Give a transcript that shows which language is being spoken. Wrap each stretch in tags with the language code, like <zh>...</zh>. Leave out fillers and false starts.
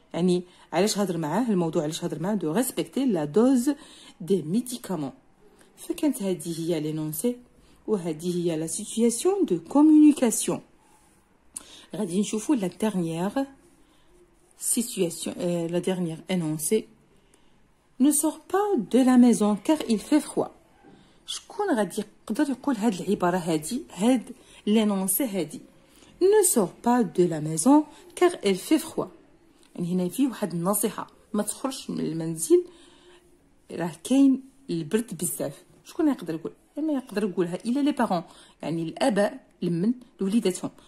<ar>يعني علاش هضر معاه الموضوع، علاش هضر معاه؟</ar> <fr>De respecter la dose des médicaments.</fr> <ar>فكانت هادي هي لينونسي، وهادي هي</ar> <fr>la situation de communication.</fr> <ar>غادي نشوفو</ar> <fr>la dernière situation، la dernière énoncé. Ne sors pas de la maison car il fait froid.</fr> <ar>شكون غادي يقدر يقول هاد العباره هادي، هاد لينونسي هادي؟</ar> <fr>نو سور با دو لا ميزون كار ال في فخوا،</fr> <ar>يعني هنا في واحد النصيحه، ما تخرجش من المنزل راه كاين البرد بزاف. شكون يقدر يقول؟ ما يقدر يقولها الا لي بارون، يعني الاباء لمن لوليداتهم.</ar>